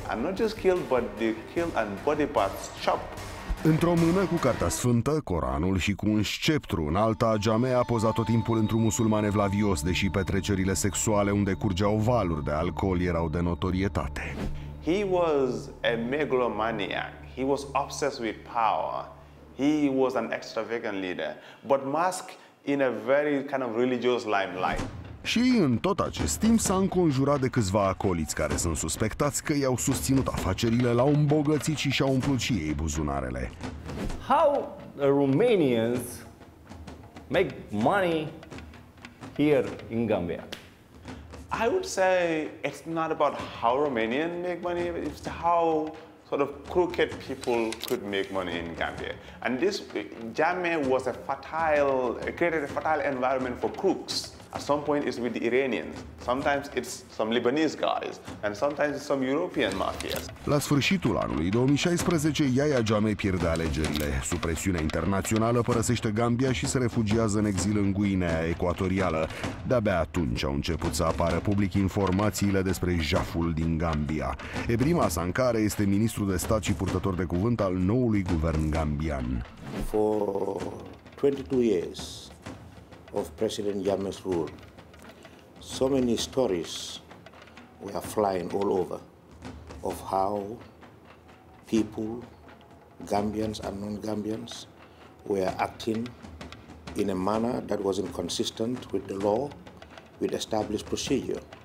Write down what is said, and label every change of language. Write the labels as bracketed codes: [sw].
[en] And not just killed, but they kill and body parts chopped. [ro] Într-o mână cu cartea sfântă, Coranul, și cu un sceptru în alta, Jammeh a pozat tot timpul într-un musulman evlavios, deși petrecerile sexuale unde curgeau valuri de alcool erau de notorietate. [en] He was a megalomaniac. He was obsessed with power. He was an extravagant leader. But masked in a very kind of religious limelight. [ro] Și în tot acest timp s-a înconjurat de câțiva acoliți care sunt suspectați că i-au susținut afacerile, l-au îmbogățit și și-au umplut și ei buzunarele. [en] How the Romanians make money here in Gambia? I would say it's not about how Romanian make money, it's how sort of crooked people could make money in Gambia. And this Jame was a fertile, created a fertile environment for crooks. At some point it's with the Iranians, sometimes it's some Lebanese guys, and sometimes it's some European mafias. [ro] La sfârșitul anului 2016, Yahya Jammeh pierde alegerile. Sub presiunea internațională, părăsește Gambia și se refugiază în exil în Guinea Ecuatorială. De-abia atunci au început să apară public informațiile despre jaful din Gambia. Ebrima Sankare este ministru de stat și purtător de cuvânt al noului guvern gambian. [en] For 22 years of President Jammeh's rule, so many stories were flying all over of how people, Gambians and non-Gambians, were acting in a manner that was inconsistent with the law, with established procedure.